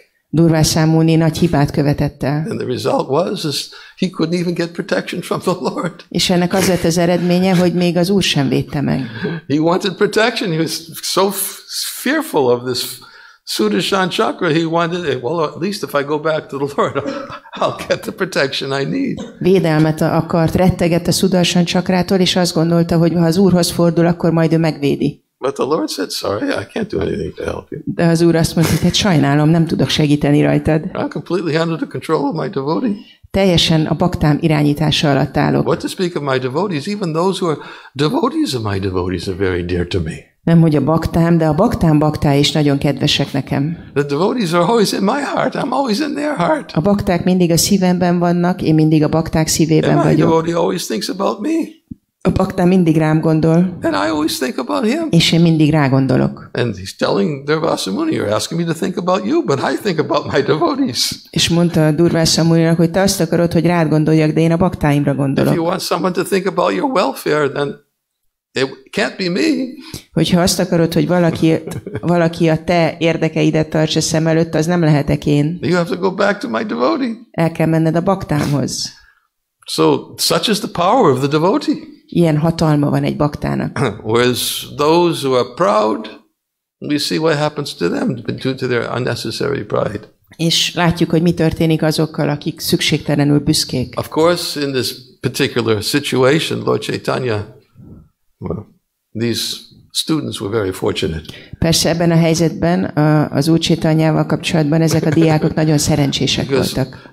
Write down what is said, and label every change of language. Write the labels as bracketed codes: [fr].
[hu] Durvasan Muni nagy hibát követett el. [en] And the result was he couldn't even get protection from the Lord. [hu] És ennek az lett az eredménye, hogy még az Úr sem védte meg. [en] He wanted protection. He was so fearful of this Sudarshan chakra. He wanted it. Well, at least if I go back to the Lord, I'll get the protection I need. [hu] Védelmet akart, rettegett a Sudarshan chakrától, és azt gondolta, hogy ha az Úrhoz fordul, akkor majd ő megvédi. [en] But the Lord said, "Sorry, I can't do anything to help you." [hu] De az Úr azt mondta, hogy hát sajnálom, nem tudok segíteni rajtad. [en] I'm completely under the control of my devotee. [hu] Teljesen a baktám irányítása alatt állok. [en] What to speak of my devotees? Even those who are devotees of my devotees are very dear to me. [hu] Nem hogy a baktám, de a baktám baktái is nagyon kedvesek nekem. [en] The devotees are always in my heart. I'm always in their heart. [hu] A bakták mindig a szívemben vannak, én mindig a bakták szívében [en] and [hu] vagyok. [en] My devotee always thinks about me. [hu] A baktám mindig rám gondol. [en] And I always think about him. [hu] És én mindig rá gondolok. [en] And he's telling Durvasa Muni, you're asking me to think about you, but I think about my devotees. [hu] És mondta Durvasa Muninak, hogy te azt akarod, hogy rád gondoljak, de én a baktáimra gondolok. [en] If you want someone to think about your welfare, then it can't be me. [hu] Hogyha azt akarod, hogy valaki a te érdekeidet tartsa szem előtt, az nem lehetek én. [en] You have to go back to my devotee. [hu] El kell menned a baktámhoz. [en] So such is the power of the devotee. [hu] Ilyen hatalma van egy baktának. [en] Whereas those who are proud, we see what happens to them due to their unnecessary pride. [hu] És látjuk, hogy mi történik azokkal, akik szükségtelenül büszkék. [en] Of course, in this particular situation, Lord Caitanya, well, these students were very fortunate. [hu] Persze ebben a helyzetben, az Úr Caitanyával kapcsolatban ezek a diákok nagyon szerencsések voltak.